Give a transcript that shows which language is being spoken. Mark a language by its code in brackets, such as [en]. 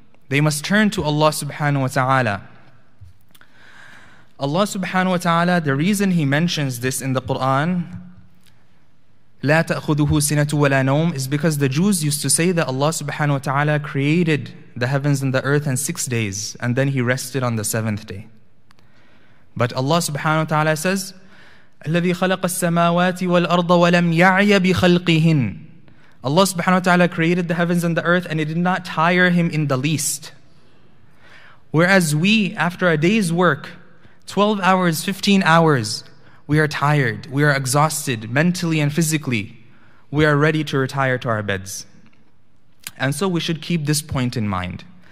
[en] They must turn to Allah subhanahu wa ta'ala. Allah subhanahu wa ta'ala, the reason he mentions this in the Quran, [ar] لا تأخذه سنة ولا نوم, [en] is because the Jews used to say that Allah subhanahu wa ta'ala created the heavens and the earth in 6 days, and then he rested on the seventh day. But Allah subhanahu wa ta'ala says, [ar] الذي خلق السماوات والأرض ولم يعي بخلقهن. [en] Allah subhanahu wa ta'ala created the heavens and the earth, and it did not tire him in the least. Whereas we, after a day's work, 12 hours, 15 hours, we are tired, we are exhausted mentally and physically. We are ready to retire to our beds. And so we should keep this point in mind.